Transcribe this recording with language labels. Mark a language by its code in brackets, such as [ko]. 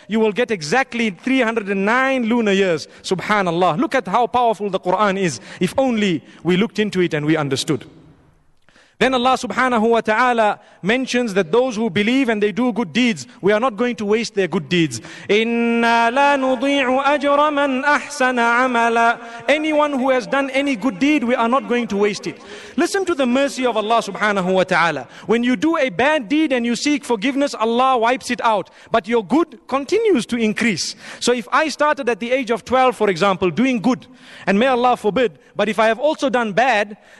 [en] You will get exactly 309 lunar years. Subhanallah. Look at how powerful the Quran is. If only we looked into it and we understood. Then Allah subhanahu wa ta'ala mentions that those who believe and they do good deeds, we are not going to waste their good deeds. [ar] إِنَّا لَا نُضِيعُ أَجْرَ مَنْ أَحْسَنَ عَمَلًا. [en] Anyone who has done any good deed, we are not going to waste it. Listen to the mercy of Allah subhanahu wa ta'ala. When you do a bad deed and you seek forgiveness, Allah wipes it out. But your good continues to increase. So if I started at the age of 12, for example, doing good, and may Allah forbid, but if I have also done bad,